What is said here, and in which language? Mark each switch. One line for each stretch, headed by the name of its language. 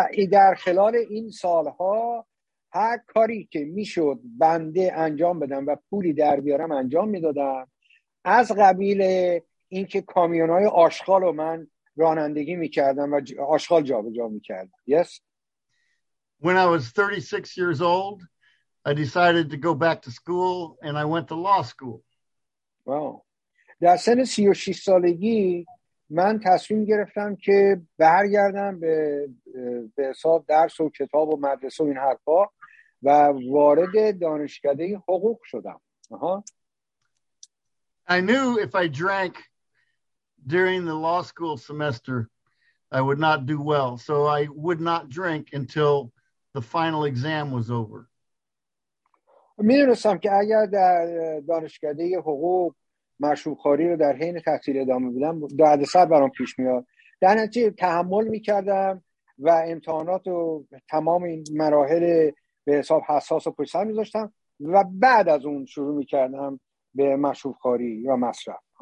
Persian: در خلال این سالها هر کاری که میشد بنده انجام بدم و پولی در بیارم انجام میدادم، از قبیل اینکه کامیونای آشغال رو من رانندگی میکردم و آشغال جابجا میکردم.
English: Yes. When I was 36 years old, I decided to go back to school and I went to law school. Wow.
Persian: در سن 36 سالگی من تصمیم گرفتم که برگردم به حساب درس و کتاب و مدرسه و این حرفا و وارد دانشکده حقوق شدم.
English: I knew if I drank during the law school semester, I would not do well. So I would not drink until the final exam was over.
Persian: می‌دونستم که اگر در دانشکده حقوق مشروب‌خواری رو در حین تحصیل ادامه بدم، دردسر برام پیش میاد. در نتیجه تحمل می‌کردم و امتحانات و تمام این مراحل به حساب حساس و پشت سر می‌ذاشتم و بعد از اون شروع می‌کردم به مشروب‌خواری یا مصرف.